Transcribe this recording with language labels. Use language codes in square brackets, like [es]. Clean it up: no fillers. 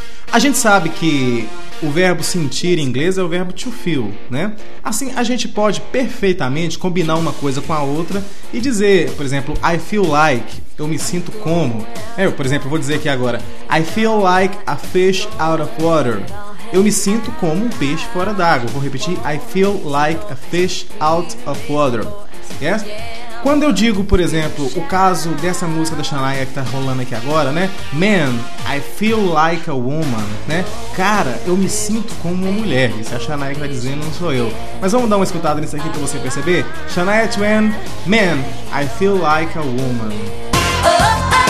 [pt] A gente sabe que o verbo sentir em inglês é o verbo to feel, né? Assim, a gente pode perfeitamente combinar uma coisa com a outra e dizer, por exemplo, [en] I feel like, [pt] eu me sinto como. Eu, por exemplo, vou dizer aqui agora, [en] I feel like a fish out of water. [pt] Eu me sinto como um peixe fora d'água. Vou repetir, [en] I feel like a fish out of water. Yes? [pt] Quando eu digo, por exemplo, o caso dessa música da Shania que tá rolando aqui agora, né? [en] Man, I feel like a woman, né? [pt] Cara, eu me sinto como uma mulher. Isso é a Shania que tá dizendo, não sou eu. Mas vamos dar uma escutada nisso aqui pra você perceber? [en] Shania Twain, man, I feel like a woman.